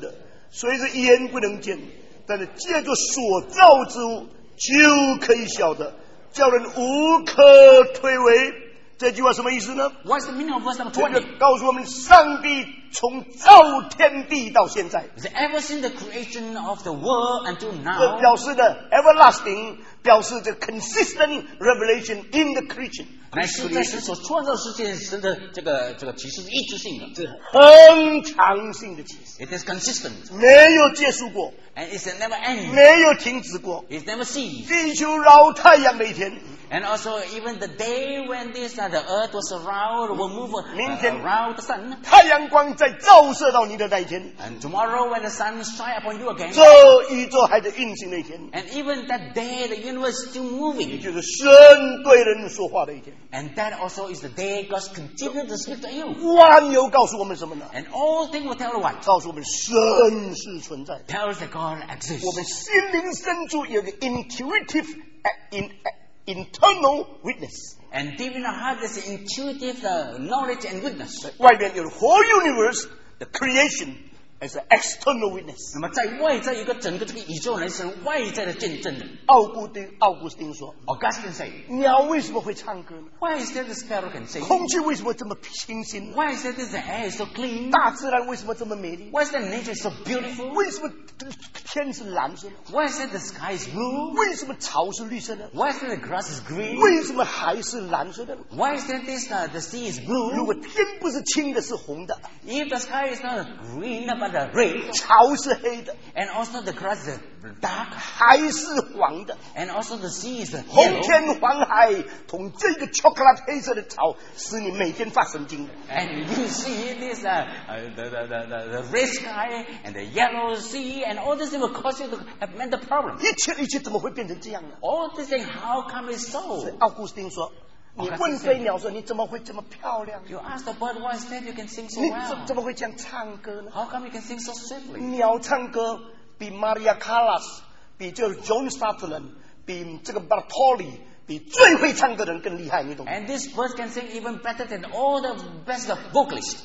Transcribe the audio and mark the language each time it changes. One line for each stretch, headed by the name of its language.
Chinese: 自从造天地以来上帝的永能和神性是明明可知的虽是眼不能见 但是借着所造之物就可以晓得，叫人无可推诿。这句话什么意思呢?
English: What's the meaning of verse number 20?
Chinese: 告诉我们上帝从造天地到现在
English: Is it ever since the creation of the world until now?
Chinese: 表示的
English: everlasting
Chinese: 表示的
English: consistent revelation in the creation
Chinese: 乃是在神所创造世界时的这个启示是一致性的这恒长性的启示
English: It is consistent
Chinese: 没有结束过
English: And it's never end
Chinese: 没有停止过
English: It's never ceased
Chinese: 地球绕太阳每天
English: And also, even the day when this, the earth was around, will move around the sun.
Chinese: 太阳光再照射到你的那一天,
English: and tomorrow, when the sun shines upon you again.
Chinese: 这宇宙还在运行那一天,
English: and even that day, the universe is still moving.
Chinese: 也就是神对人说话的一天,
English: and that also is the day God continues to speak to you.
Chinese: 万有告诉我们什么呢?
English: And all things will tell what?
Chinese: 告诉我们神是存在,
English: tells that God exists.
Chinese: 我们心灵深处有个
English: intuitive internal witness. And deep in our heart, there's intuitive knowledge and witness. Why then your whole universe, the creation, as an external witness.
Chinese: 那么在外在一个整个这个宇宙人是外在的见证的。奥古丁说,
English: Augustine said,
Chinese: 鸟为什么会唱歌呢?
English: Why is there the sparrow can sing?
Chinese: 空气为什么这么清新?
English: Why is there this air so clean?
Chinese: 大自然为什么这么美丽?
English: Why is there nature so beautiful?
Chinese: 为什么天是蓝色的?
English: Why is there the sky is blue?
Chinese: 为什么草是绿色的?
English: Why is there the grass is green?
Chinese: 为什么海是蓝色的?
English: Why is there this the sea is blue?
Chinese: 如果天不是青的是红的,
English: if the sky is not green, but the red,
Chinese: 草是黑的,
English: and also the grass is dark,
Chinese: 海是黄的,
English: and also the sea is yellow,
Chinese: 红天黄海同这个 chocolate 黑色的草使你每天发神经,
English: and you see this the red sky and the yellow sea and all this will cause you to have mental problems.
Chinese: 一切一切怎么会变成这样呢?
English: All this thing, how come it's so?
Chinese: 奥古斯丁说, 你问飞鸟说你怎么会这么漂亮?
English: You ask the bird why is that you can sing so well?
Chinese: 你怎么会这样唱歌呢?
English: How come you can sing so swiftly?
Chinese: 鸟唱歌比 Maria Callas, 比就是 John Sutherland, 比这个 Bartoli, 比最会唱歌的人更厉害，你懂吗?
English: And this bird can sing even better than all the best of vocalists.